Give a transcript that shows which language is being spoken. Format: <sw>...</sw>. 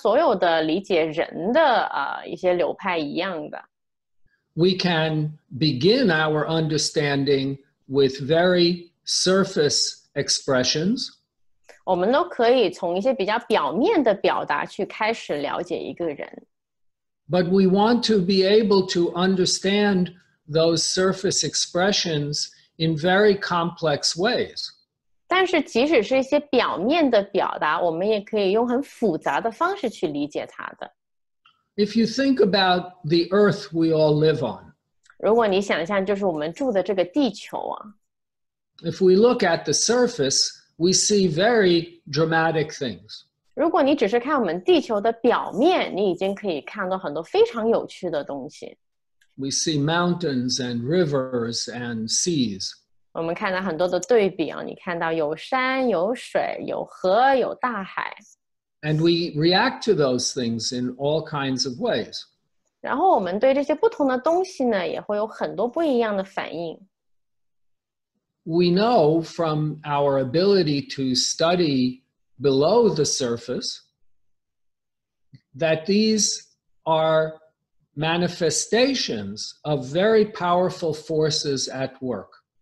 <zh>那就像跟其他所有的理解人的, 一些流派一样的。</zh> <en>We can begin our understanding with very surface expressions.</en> <zh>我们都可以从一些比较表面的表达去开始了解一个人。</zh> <en>But we want to be able to understand those surface expressions in very complex ways.</en> <zh>但是即使是一些表面的表达, 我们也可以用很复杂的方式去理解它的。</zh> <en>If you think about the earth we all live on,</en> <zh>如果你想象就是我们住的这个地球啊,</zh> <en>If we look at the surface, we see very dramatic things.</en> <zh>如果你只是看我们地球的表面, 你已经可以看到很多非常有趣的东西。</zh> <en>We see mountains and rivers and seas.</en> <zh>我们看到很多的对比啊, 你看到有山,有水,有河,有大海。</zh> <en>And we react to those things in all kinds of ways.</en> <zh>然后我们对这些不同的东西呢, 也会有很多不一样的反应。</zh> <en>We know from our ability to study below the surface that these are manifestations of very powerful forces at work.</en>